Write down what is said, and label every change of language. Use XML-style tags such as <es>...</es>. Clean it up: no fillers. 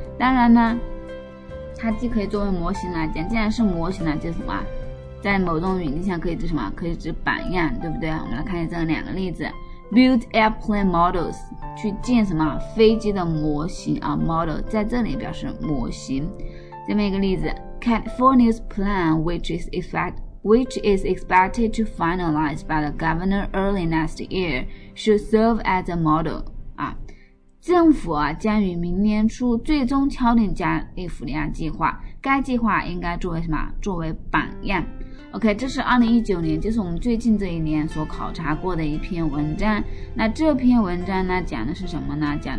<zh>当然呢，它既可以作为模型来讲，既然是模型呢，就什么？在某种语境下可以指什么？可以指榜样，对不对？我们来看一下这两个例子 ：</zh> <en>build airplane models，</en> <zh>去建什么飞机的模型啊 ？model 在这里表示模型。这么一个例子</zh> <en>：California's plan, which is expected to finalize by the governor early next year, should serve as a model。</en> <zh>啊，政府啊将于明年初最终敲定加利福尼亚计划，该计划应该作为什么？作为榜样。OK， 这是2019年，就是我们最近这一年所考察过的一篇文章。那这篇文章呢，讲的是什么呢？</zh>